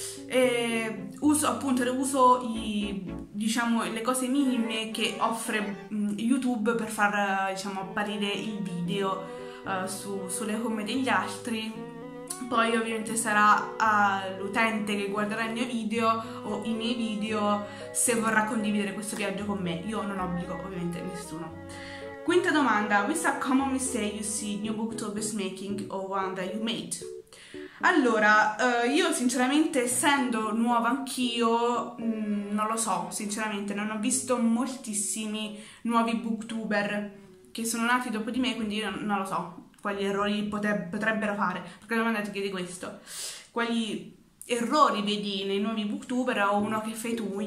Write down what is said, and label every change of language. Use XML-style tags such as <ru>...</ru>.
<it>E uso le cose minime che offre YouTube per far apparire il video sulle home degli altri. Poi ovviamente sarà l'utente che guarderà il mio video o i miei video se vorrà condividere questo viaggio con me. Io non obbligo ovviamente nessuno. Quinta domanda:</it> <en>what's a common mistake you see new booktubers making or one that you made?</en> <it>Allora, io sinceramente, essendo nuova anch'io, non lo so, sinceramente, non ho visto moltissimi nuovi booktuber che sono nati dopo di me, quindi io non lo so quali errori potrebbero fare, perché la domanda ti chiede questo: quali errori vedi nei nuovi booktuber o uno che fai tu?</it>